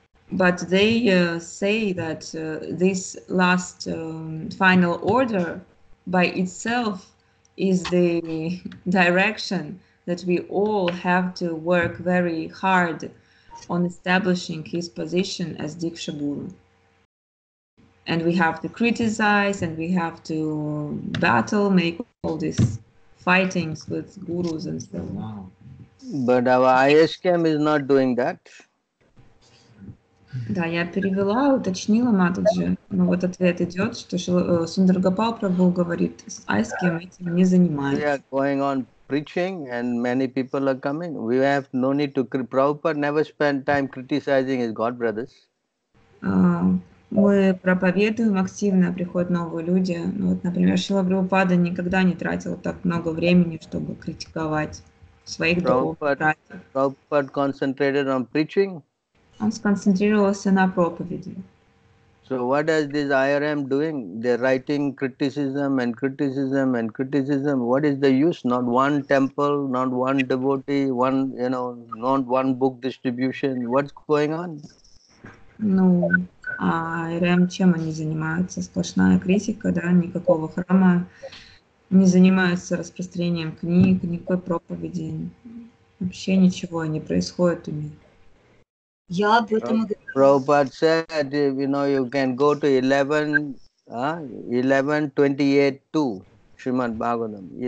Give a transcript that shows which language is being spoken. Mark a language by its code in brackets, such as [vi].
[en] But they say that this last final order by itself is the direction that we all have to work very hard on establishing his position as Diksha Guru. And we have to criticize and we have to battle, make all these fightings with gurus and so on. But our ISKM is not doing that. [ru] Да, я перевела, уточнила, Матаджи. Но вот ответ идет, что Сундар Гопал Прабху говорит, с ISKM этим не занимается. [en] Preaching and many people are coming. We have no need to. Prabhupada never spent time criticizing his god brothers. [ru] Мы проповедуем активно, приходят новые люди. Ну, вот, например, Шрила Прабхупада никогда не тратил так много времени, чтобы критиковать своих братьев. [en] Prabhupada concentrated on preaching. [ru] Он сконцентрировался на проповеди. [en] So what is this IRM doing? They're writing criticism and criticism and criticism. What is the use? Not one temple, not one devotee, one, you know, not one book distribution. What's going on? [ru] Ну, а IRM чем они занимаются? Сплошная критика, да? Никакого храма. Не занимаются распространением книг, никакой проповеди. Вообще ничего не происходит у них. Я об этом говорю. [en] Prabhupada said, you know, you can go to 11.28.2, Shrimad Bhagavatam,